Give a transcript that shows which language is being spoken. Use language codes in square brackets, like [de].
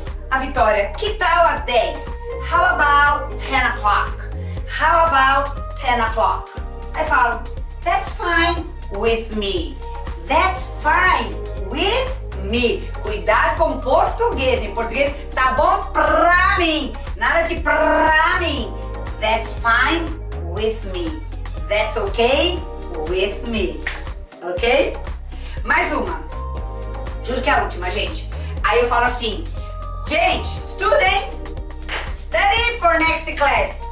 [pt] A Vitória, que tal às 10? [en] How about 10 o'clock? How about 10 o'clock? [pt] Aí falo, [en] that's fine with me. That's fine with me. [pt] Cuidado com português. Em português, tá bom pra mim. Nada de pra mim. [en] That's fine with me. That's okay with me. Ok? [pt] Mais uma. Juro que é a última, gente. Aí eu falo assim. [en] Gente, student, study for next class.